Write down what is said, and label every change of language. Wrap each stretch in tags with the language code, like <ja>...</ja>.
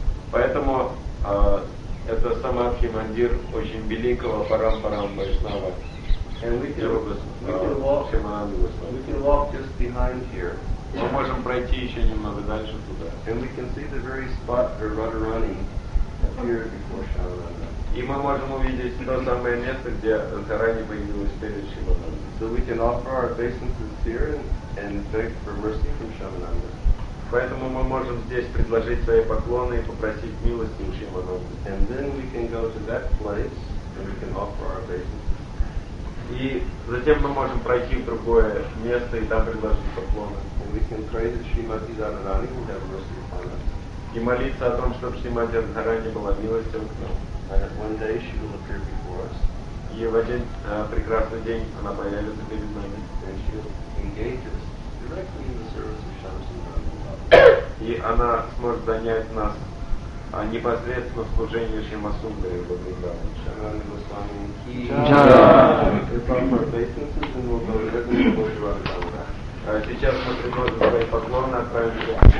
<ru>Поэтому это Самадхи Мандир очень великого Парам-Парам Вайшнава.</ru> <en>And we can walk just behind here.</en> <ru>Мы можем пройти еще немного дальше туда.</ru> <en>And we can see the very spot where Radharani appeared before Shyamananda.</en> <ru>И мы можем увидеть то самое место, где Радхарани появилась перед Шивананда.</ru> <en>So we can offer our obeisances here and beg for mercy from Shyamananda.</en> <ru>Поэтому мы можем здесь предложить свои поклоны и попросить милости у Шивананды.</ru> <en>And then we can go to that place and we can offer our obeisances.</en> <ru>И затем мы можем пройти в другое место и там предложить поклоны.</ru> <en>And we can pray that Shrimati Radharani will have mercy upon us.</en> <ru>И молиться о том, чтобы Шримати Радхарани была милостью к нам.</ru> <en>And that one day she will appear before us.</en> <ru>И в один прекрасный день она появится перед нами.</ru> <en>And she will engage us directly in the service of Shams and Ram.</en> <ru>И она сможет занять нас непосредственно в служении Шримасундари в Вриндаване. Шаранда Госвами Ки. Джая. Сейчас мы предложим свои поклоны отправиться.</ru>